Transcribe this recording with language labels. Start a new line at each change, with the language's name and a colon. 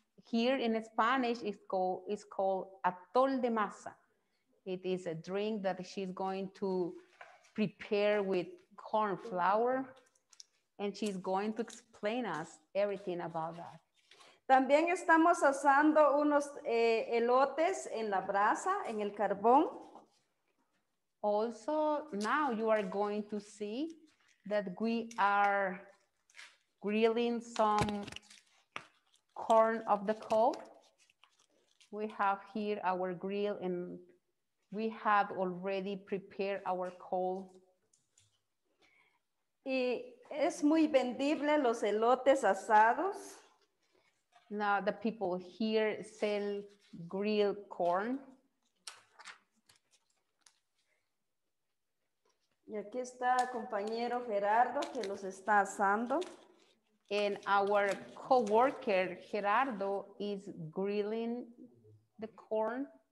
English: Here in Spanish, it's called atol de masa. It is a drink that she's going to prepare with corn flour, and she's going to explain us everything about that.
Spanish: También estamos asando unos elotes en la brasa, en el carbón.
English: Also, now you are going to see that we are grilling some corn of the cob. We have here our grill, and we have already prepared our coal.
Spanish: Y es muy vendible los elotes asados.
English: Now the people here sell grilled corn.
Spanish: Y aquí está compañero Gerardo que los está asando.
English: And our co-worker Gerardo is grilling the corn.